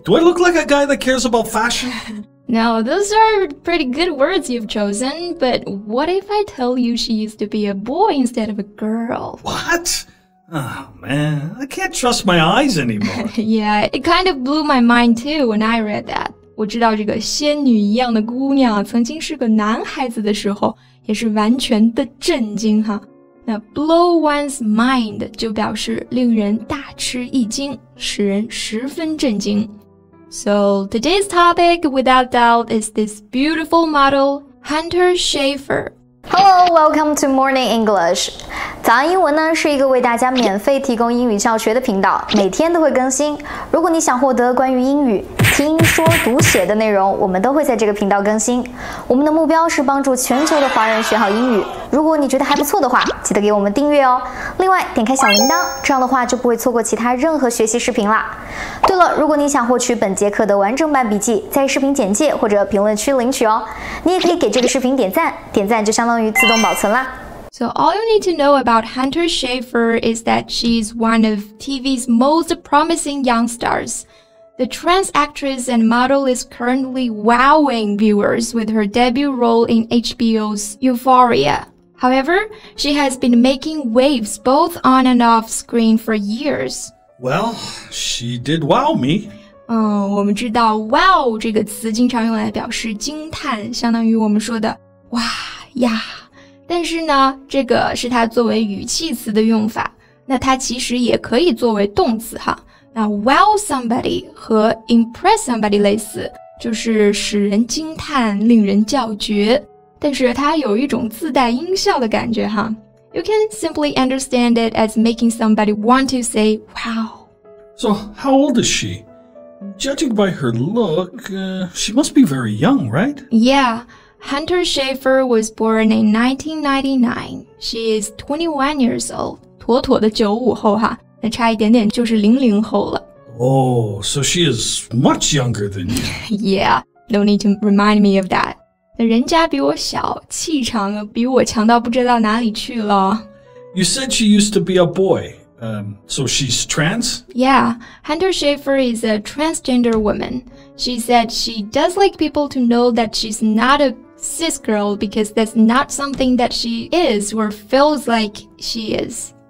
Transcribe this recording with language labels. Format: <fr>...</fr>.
<en>Do I look like a guy that cares about fashion? No, those are pretty good words you've chosen, but what if I tell you she used to be a boy instead of a girl? What? Oh, man, I can't trust my eyes anymore. Yeah, it kind of blew my mind too when I read that.</en> <zh>我知道这个仙女一样的姑娘曾经是个男孩子的时候也是完全的震惊哈。那</zh> <en>blow one's mind</en> <zh>就表示令人大吃一惊，使人十分震惊。</zh> <en>So, today's topic, without doubt, is this beautiful model, Hunter Schaefer. Hello, welcome to Morning English.</en> <zh>早安英文呢是一个为大家免费提供英语教学的频道，每天都会更新。如果你想获得关于英语听说读写的内容，我们都会在这个频道更新。我们的目标是帮助全球的华人学好英语。如果你觉得还不错的话，记得给我们订阅哦。另外，点开小铃铛，这样的话就不会错过其他任何学习视频啦。对了，如果你想获取本节课的完整版笔记，在视频简介或者评论区领取哦。你也可以给这个视频点赞，点赞就相当于自动保存啦。</zh> <en>So all you need to know about Hunter Schaefer is that she's one of TV's most promising young stars. The trans actress and model is currently wowing viewers with her debut role in HBO's Euphoria. However, she has been making waves both on and off screen for years. Well, she did wow me.</en> <zh>我们知道 wow 这个词经常用来表示惊叹，相当于我们说的哇呀。但是呢，这个是它作为语气词的用法，那它其实也可以作为动词哈。那</zh> <en>wow somebody</en> <zh>和</zh> <en>impress somebody</en> <zh>类似，就是使人惊叹，令人叫绝。但是它有一种自带音效的感觉哈。</zh> <en>You can simply understand it as making somebody want to say wow. So how old is she? Judging by her look, she must be very young, right? Yeah. Hunter Schaefer was born in 1999. She is 21 years old.</en> <zh>妥妥的95后哈，那差一点点就是00后了。</zh> <en>Oh, so she is much younger than you. Yeah, no need to remind me of that.</en> <zh>那人家比我小，气场比我强到不知道哪里去了。</zh> <en>You said she used to be a boy. So she's trans? Yeah, Hunter Schaefer is a transgender woman. She said she does like people to know that she's not a cis girl because that's not something that she is or feels like she is.</en>